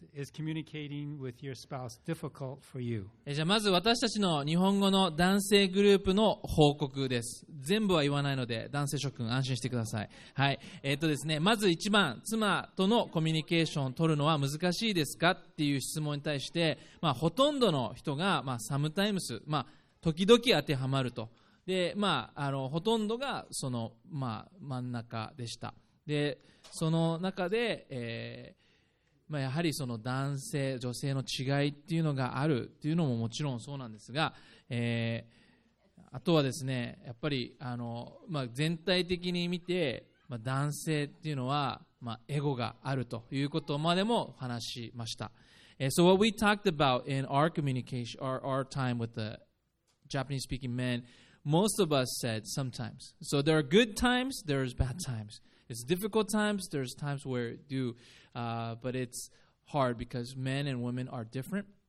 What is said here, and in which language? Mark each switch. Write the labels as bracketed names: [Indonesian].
[English] Is communicating with your spouse difficult for you? [Japanese] じゃあまず私たちの日本語の男性グループの報告です。全部は言わないので、男性諸君安心してください。はい。ですね、まず一番、妻とのコミュニケーションを取るのは難しいですかっていう質問に対して、まあほとんどの人が、まあ sometimes、まあ時々当てはまると。で、まあ、あのほとんどがそのまあ真ん中でした。でその中で、やはりその男性女性の違いっていうのがあるっていうのももちろんそうなんですが、あとはですねやっぱりあの、全体的に見て、男性っていうのは、エゴがあるということまでも話しました。 [English] So what we talked about in our communication or our time with the Japanese speaking men, most of us said sometimes. So there are good times, there are bad times. It's difficult times, there's times where it do, but it's hard because men and women are different.